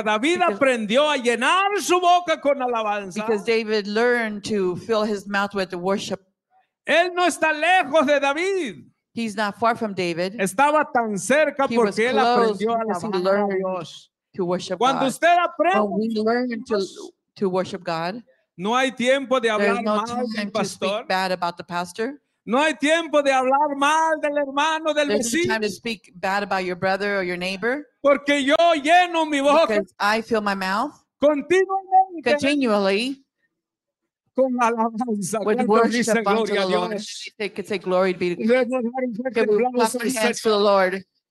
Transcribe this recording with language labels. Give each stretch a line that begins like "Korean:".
Spanish: David aprendió a llenar su boca con alabanza.
English: Because David learned to fill his mouth with worship.
Spanish: Él no está lejos de David.
English: He's not far from David.
Spanish: Estaba tan cerca
English: he
Spanish: porque él aprendió a alabar a Dios.
English: To worship
Spanish: cuando
English: God.
Spanish: Usted aprende
English: when we learn to worship God,
Spanish: no hay tiempo de hablar no mal del pastor.
English: Speak bad about the pastor.
Spanish: No hay tiempo de hablar mal del hermano, del
English: there's
Spanish: vecino.
English: There's no time to speak bad about your brother or your neighbor.
Spanish: Porque yo lleno mi boca.
English: Because I fill my mouth.
Spanish: Continuamente.
English: Continually.
Spanish: Con alabanza.
English: With worship unto the Lord. They could say glory be to God. Can we clap our hands to the Lord?